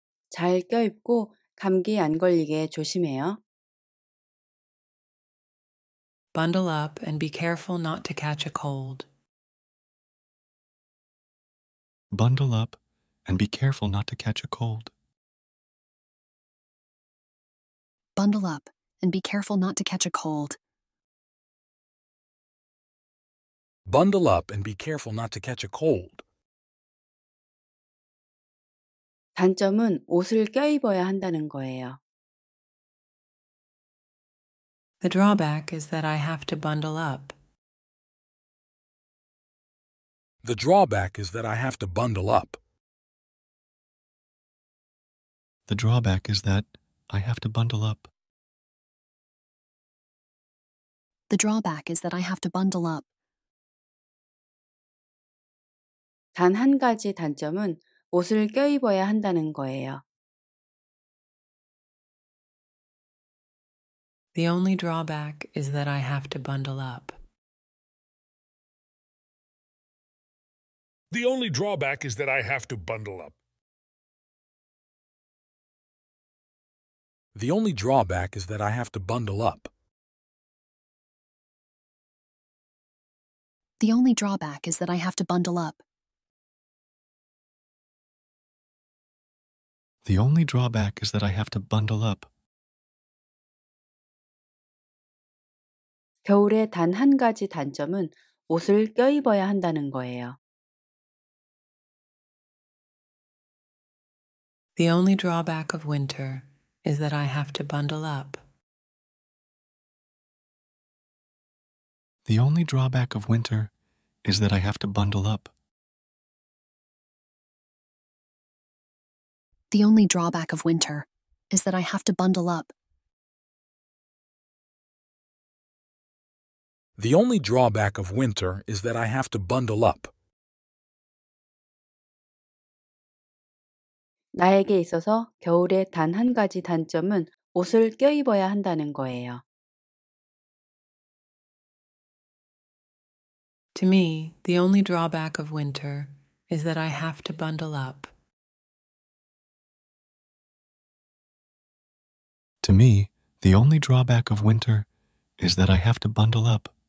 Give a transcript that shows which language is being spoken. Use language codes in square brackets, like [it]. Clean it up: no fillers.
[ko] 잘 껴입고 감기 안 걸리게 조심해요. [en] Bundle up and be careful not to catch a cold. Bundle up and be careful not to catch a cold. Bundle up and be careful not to catch a cold. Bundle up and be careful not to catch a cold. [ko] 단점은 옷을 껴입어야 한다는 거예요. [en] The drawback is that I have to bundle up. The drawback is that I have to bundle up. The drawback is that I have to bundle up. The drawback is that I have to bundle up. [ko] 단 한 가지 단점은 옷을 껴입어야 한다는 거예요. [en] The only drawback is that I have to bundle up. The only drawback is that I have to bundle up. The only drawback is that I have to bundle up. The only drawback is that I have to bundle up. The only drawback is that I have to bundle up. [ko] 겨울의 단 한 가지 단점은 옷을 껴입어야 한다는 거예요. [en] The only drawback of winter is that I have to bundle up. The only drawback of winter is that I have to bundle up. The only drawback of winter is that I have to bundle up. The only drawback of winter is that I have to bundle up. [ko] 나에게 있어서 겨울의 단 한 가지 단점은 옷을 껴입어야 한다는 거예요. [en] To me, the only drawback of winter is that I have to bundle up. To me, the only drawback of winter is that I have to bundle up.